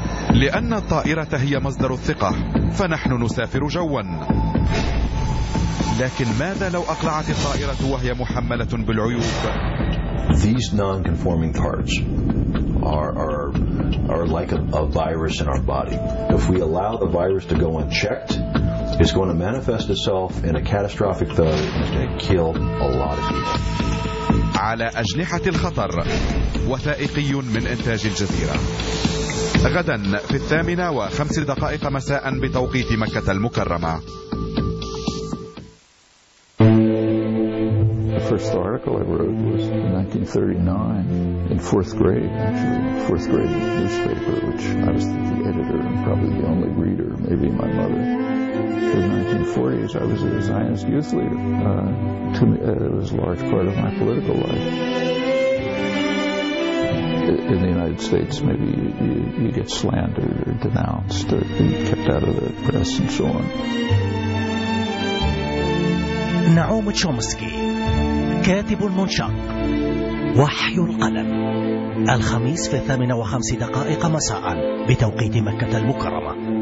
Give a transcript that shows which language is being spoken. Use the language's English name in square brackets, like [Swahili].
[Arabic] لأن الطائرة هي مصدر الثقة فنحن نسافر جوا، لكن ماذا لو أقلعت الطائرة وهي محملة بالعيوب؟ [English] These non-conforming parts are like a virus in our body. If we allow the virus to go unchecked, it's going to manifest itself in a catastrophic failure and kill a lot of people. [Arabic] على أجنحة الخطر، وثائقي من إنتاج الجزيرة. غدا في 8:05 مساء بتوقيت مكة المكرمة. [English] The first article I wrote was 1939 in fourth grade, actually fourth grade newspaper, which I was the editor and probably the only reader, maybe my mother. In the 1940s, I was a Zionist youth leader. To me, it was a large part of my political life. In the United States, maybe you get slandered or denounced or be kept out of the press and so on. [Arabic] نعوم تشومسكي كاتب منشق وحي القلم. الخميس في 8:05 مساء بتوقيت مكة المكرمة.